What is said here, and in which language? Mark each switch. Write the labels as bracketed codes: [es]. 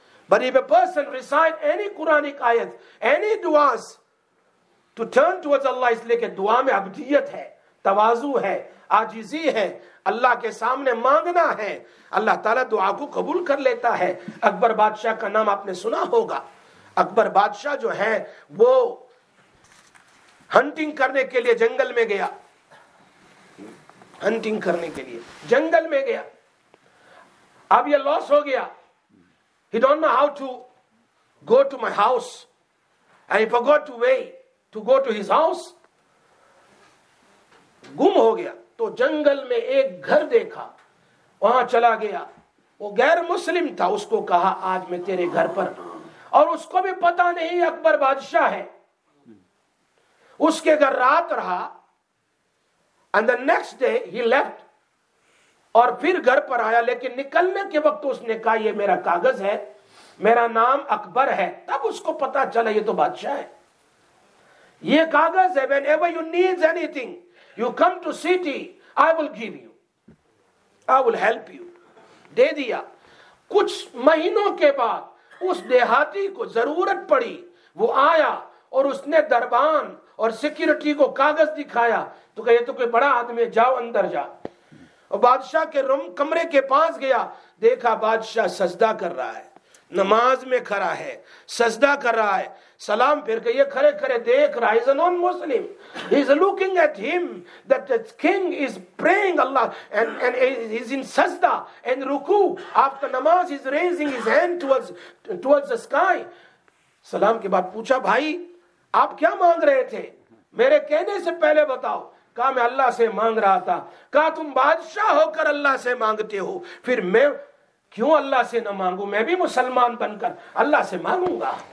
[en] but if a person recite any Quranic آیت, any دعاز to turn towards Allah, [ur] اس لیے کہ دعا میں عبدیت ہے, توازو ہے, عاجزی ہے, اللہ کے سامنے مانگنا ہے, اللہ تعالیٰ دعا کو قبول کر لیتا ہے. اکبر بادشاہ کا نام آپ نے سنا ہوگا, اکبر بادشاہ جو ہے وہ ہنٹنگ کرنے کے لیے جنگل میں گیا, ہنٹنگ کرنے کے لیے جنگل میں گیا. اب یہ لاس ہو گیا, [en] he don't know how to go to my house and he forgot to way to go to his house, [ur] گم ہو گیا. تو جنگل میں ایک گھر دیکھا, وہاں چلا گیا, وہ غیر مسلم تھا, اس کو کہا آج میں تیرے گھر پر, اور اس کو بھی پتا نہیں اکبر بادشاہ ہے, اس کے گھر رات رہا. [en] and the next day he left, [ur] اور پھر گھر پر آیا, لیکن نکلنے کے وقت اس نے کہا یہ میرا کاغذ ہے, میرا نام اکبر ہے. تب اس کو پتا چلا یہ تو بادشاہ ہے, یہ کاغذ ہے. [en] Whenever you needs anything you come to city, I will give you, I will help you. [ur] دے دیا. کچھ مہینوں کے بعد اس دیہاتی کو ضرورت پڑی, وہ آیا اور اس نے دربان اور سیکیورٹی کو کاغذ دکھایا, تو کہ یہ تو کوئی بڑا آدمی ہے, جاؤ اندر جا. اور بادشاہ کے روم کمرے کے پاس گیا, دیکھا بادشاہ سجدہ کر رہا ہے, نماز میں کھڑا ہے, سجدہ کر رہا ہے, سلام پھر کے یہ کھڑے کھڑے دیکھ رہا ہے. [en] He's a non-Muslim. He's looking at him that the king is praying Allah and he's in sajda and ruku. After namaz he's raising his hand towards the sky. [ur] سلام کے بعد پوچھا بھائی آپ کیا مانگ رہے تھے, میرے کہنے سے پہلے بتاؤ. کہا میں اللہ سے مانگ رہا تھا. کہا تم بادشاہ ہو کر اللہ سے مانگتے ہو, پھر میں کیوں اللہ سے نہ مانگوں, میں بھی مسلمان بن کر اللہ سے مانگوں گا.